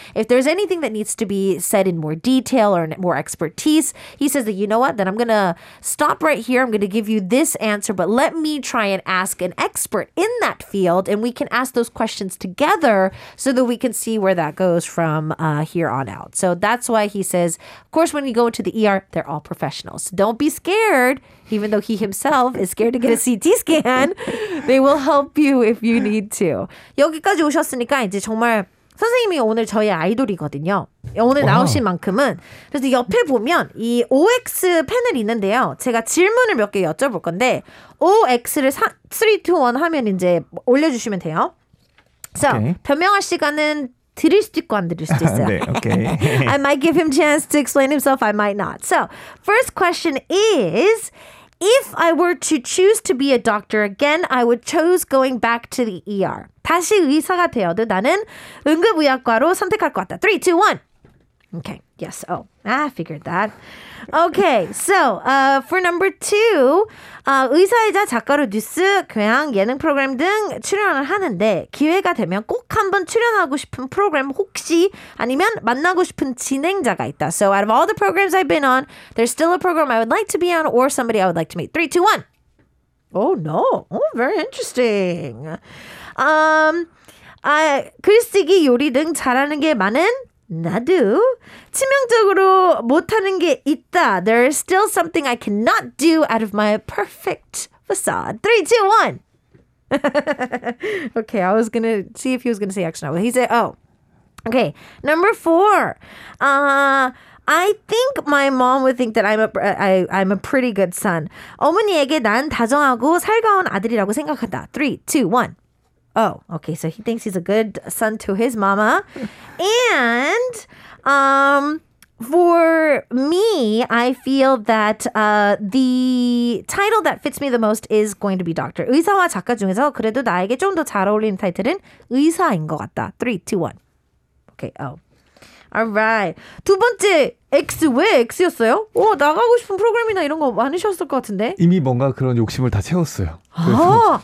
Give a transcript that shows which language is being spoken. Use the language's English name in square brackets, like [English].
[English] If there's anything that needs to be said in more detail or in more expertise, he says that, you know what, then I'm going to stop right here. I'm going to give you this answer, but let me try and ask an expert in that field and we can ask those questions together so that we can see where that goes from here on out. So that's why he says, of course, when you go into the ER, they're all professionals. Don't be scared. Even though he himself is scared to get a CT scan, they will help you if you need to. [Korean] 여기까지 오셨으니까 이제 정말 선생님이 오늘 저희 아이돌이거든요. 오늘 나오신 만큼은. 그래서 옆에 보면 이 OX 패널이 있는데요. 제가 질문을 몇 개 여쭤볼 건데 OX를 3, 2, 1 하면 이제 올려주시면 돼요. [English] So, okay. [Korean] 변명할 시간은 드릴 수도 있고 안 드릴 수도 있어요. 네, okay. [English] I might give him chance to explain himself. I might not. So, first question is, if I were to choose to be a doctor again, I would choose going back to the ER. [Korean] 다시 의사가 되어도 나는 응급의학과로 선택할 것 같다. [English] 3, 2, 1. Okay. Yes. Oh, I figured that. Okay. So, for number two, [Korean] 의사이자 작가로 뉴스, 교양, 예능 프로그램 등 출연을 하는데 기회가 되면 꼭 한번 출연하고 싶은 프로그램 혹시 아니면 만나고 싶은 진행자가 있다. [English] So, out of all the programs I've been on, there's still a program I would like to be on or somebody I would like to meet. 3, 2, 1. Oh, no. Oh, very interesting. [Korean] 글쓰기, 요리 등 잘하는 게 많은 나도 치명적으로 못하는 게 있다. [English] There is still something I cannot do out of my perfect facade. 3, 2, 1. Okay, I was going to see if he was going to say action. He said, oh. Okay, number 4. I think my mom would think that I'm a pretty good son. [Korean] 어머니에게 난 다정하고 살가운 아들이라고 생각한다. [English] 3, 2, 1. Oh, okay, so he thinks he's a good son to his mama. And for me, I feel that the title that fits me the most is going to be doctor. [Korean] 의사와 작가 중에서 그래도 나에게 좀 더 잘 어울리는 타이틀은 의사인 것 같다. [English] 3, 2, 1. Okay, oh. All right. [Korean] 두 번째 X 왜 X였어요? 오, 나가고 싶은 프로그램이나 이런 거 많으셨을 것 같은데. 이미 뭔가 그런 욕심을 다 채웠어요. 아!